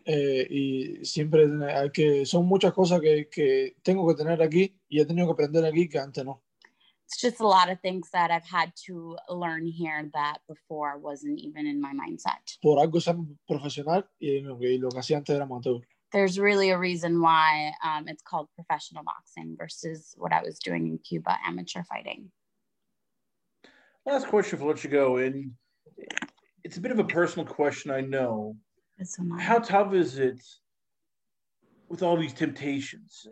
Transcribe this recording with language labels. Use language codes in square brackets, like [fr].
[es] Y siempre hay que son muchas cosas que tengo que tener aquí y he tenido que aprender aquí que antes no. [en] It's just a lot of things that I've had to learn here that before wasn't even in my mindset. [es] Por algo ser profesional y lo que hacía antes era amateur. [en] There's really a reason why it's called professional boxing versus what I was doing in Cuba, amateur fighting. Last question before I let you go, and it's a bit of a personal question, I know. How tough is it with all these temptations?